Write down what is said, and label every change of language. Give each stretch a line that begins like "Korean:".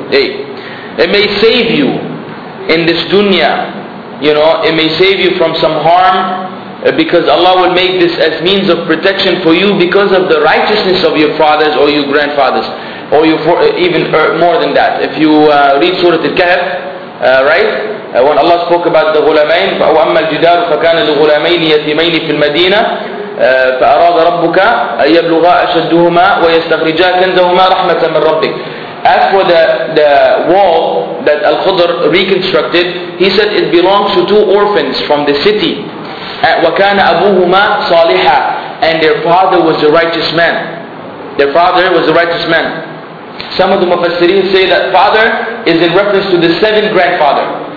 English: Hey, it may save you in this dunya. You know, it may save you from some harm because Allah will make this as means of protection for you because of the righteousness of your fathers or your grandfathers, or more than that. If you read Surah Al-Kahf, right? When Allah spoke about the ghulamain,
Arabic: فَأَمَّا الْجِدَارُ فَكَانَ لِغُلَامَيْنِ يَتِيمَيْنِ فِي الْمَدِينَةِ فأراد ربك أن يبلغا أشدهما ويستخرجا كنزهما رحمة من ربك.
English: As for the wall that Al-Khudr reconstructed, he said it belongs to two orphans from the city.
Arabic: وكان أبوهما صالحا,
English: and their father was a righteous man. Their father was a righteous man. Some of the Mufassirin say that father is in reference to the seventh grandfather.